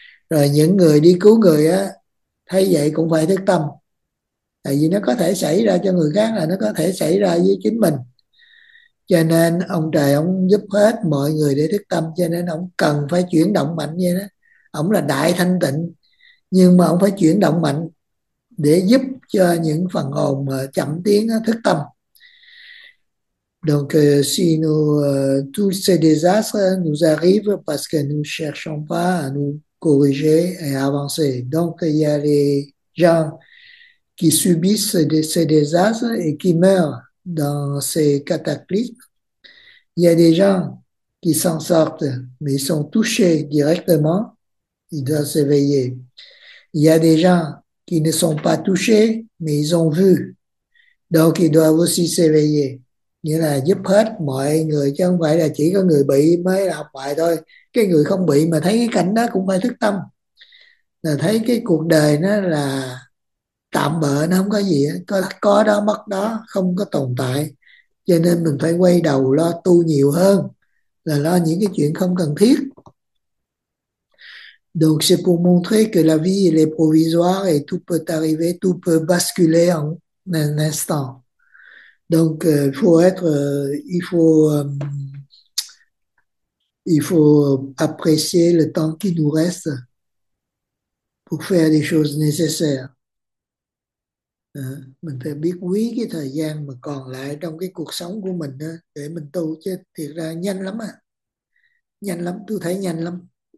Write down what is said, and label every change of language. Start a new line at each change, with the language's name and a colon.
Vietnamese: Rồi những người đi cứu người á, thấy vậy cũng phải thức tâm, tại vì nó có thể xảy ra cho người khác là nó có thể xảy ra với chính mình. Cho nên ông trời ông giúp hết mọi người để thức tâm, cho nên ông cần phải chuyển động mạnh như đó. Ông là đại thanh tịnh nhưng mà ông phải chuyển động mạnh để giúp cho những phần hồn mà chậm tiến thức tâm.
French: Donc, si nous, tous ces désastres nous arrivent parce que nous ne cherchons pas à nous corriger et avancer. Donc, il y a les gens qui subissent ces désastres et qui meurent dans ces cataclysmes. Il y a des gens qui s'en sortent, mais ils sont touchés directement. Ils doivent s'éveiller. Il y a des gens qui ne sont pas touchés, mais ils ont vu. Donc, ils doivent aussi s'éveiller.
Vietnamese: nghĩa là giúp hết mọi người chứ không phải là chỉ có người bị mới là học bài thôi. Cái người không bị mà thấy cái cảnh đó cũng phải thức tâm, là thấy cái cuộc đời nó là tạm bợ, nó không có gì, có đó mất đó, không có tồn tại. Cho nên mình phải quay đầu lo tu nhiều hơn là lo những cái chuyện không cần thiết.
French: Donc, c'est pour montrer que la vie elle est provisoire et tout peut arriver, tout peut basculer en un instant. Donc, il faut apprécier le temps qui nous reste pour faire les choses nécessaires.
Vietnamese: Mình phải biết quý cái thời gian mà còn lại trong cái cuộc sống của mình đó, để mình tu chứ thiệt ra nhanh lắm à. Nhanh lắm, tôi thấy nhanh lắm.